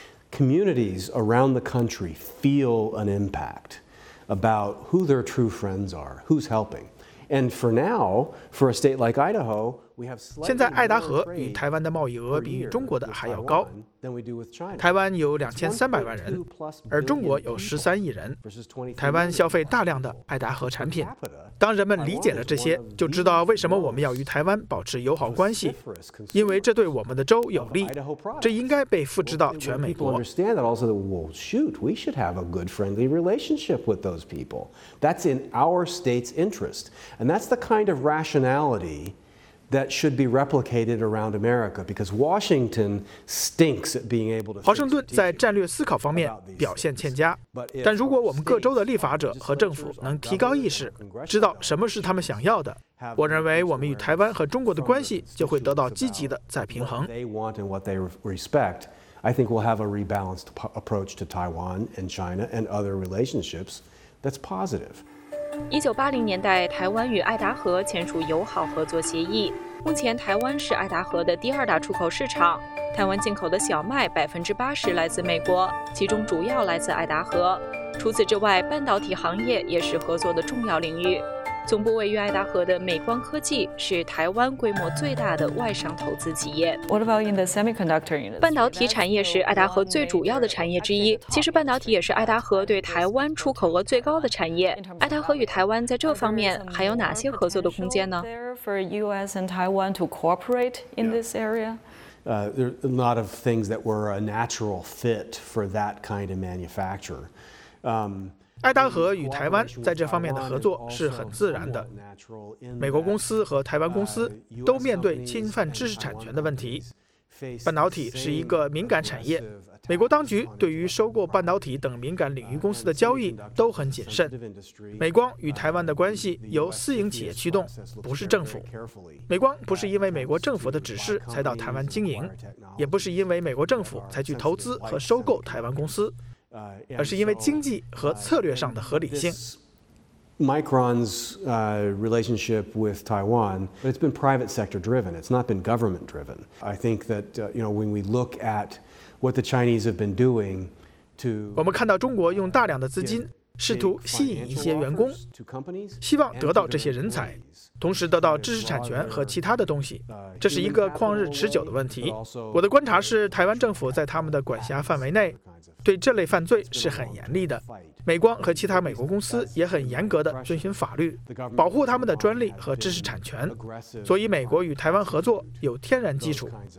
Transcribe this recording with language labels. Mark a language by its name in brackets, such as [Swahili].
[English] Communities around the country feel an impact about who their true friends are, who's helping. And for now, for a state like Idaho, we have slightly. [Chinese] 现在爱达荷与台湾的贸易额比中国的还要高。台湾有2300万人，而中国有13亿人。台湾消费大量的爱达荷产品。当人们理解了这些，就知道为什么我们要与台湾保持友好关系，因为这对我们的州有利。这应该被复制到全美国。 [English] People understand that also. Well, shoot, we should have a good, friendly relationship with those people. That's in our state's interest, and that's the kind of rationality. That should be replicated around America because Washington stinks at being able to. [Chinese] 华盛顿在战略思考方面表现欠佳，但如果我们各州的立法者和政府能提高意识，知道什么是他们想要的，我认为我们与台湾和中国的关系就会得到积极的再平衡。 [English] They want and what they respect. I think we'll have a rebalanced approach to Taiwan and China and other relationships that's positive. [Chinese] 1980年代，台湾与爱达荷签署友好合作协议。目前，台湾是爱达荷的第二大出口市场。台湾进口的小麦80%来自美国，其中主要来自爱达荷。除此之外，半导体行业也是合作的重要领域。总部位于爱达荷的美光科技是台湾规模最大的外商投资企业。 [English] What about in the semiconductor industry? [Chinese] 半导体产业是爱达荷最主要的产业之一。其实半导体也是爱达荷对台湾出口额最高的产业。爱达荷与台湾在这方面还有哪些合作的空间呢 [English] ？For U.S. and Taiwan to cooperate in this area, there are a lot of things that were a natural fit for that kind of manufacturer. [Chinese] 爱达荷与台湾在这方面的合作是很自然的。美国公司和台湾公司都面对侵犯知识产权的问题。半导体是一个敏感产业，美国当局对于收购半导体等敏感领域公司的交易都很谨慎。美光与台湾的关系由私营企业驱动，不是政府。美光不是因为美国政府的指示才到台湾经营，也不是因为美国政府才去投资和收购台湾公司。而是因为经济和策略上的合理性。 [English] Micron's relationship with Taiwan, it's been private sector driven. It's not been government driven. I think that you know when we look at what the Chinese have been doing to [Chinese] 我们看到中国用大量的资金试图吸引一些员工，希望得到这些人才，同时得到知识产权和其他的东西。这是一个旷日持久的问题。我的观察是，台湾政府在他们的管辖范围内。对这类犯罪是很严厉的，美光和其他美国公司也很严格地遵循法律，保护他们的专利和知识产权，所以美国与台湾合作有天然基础。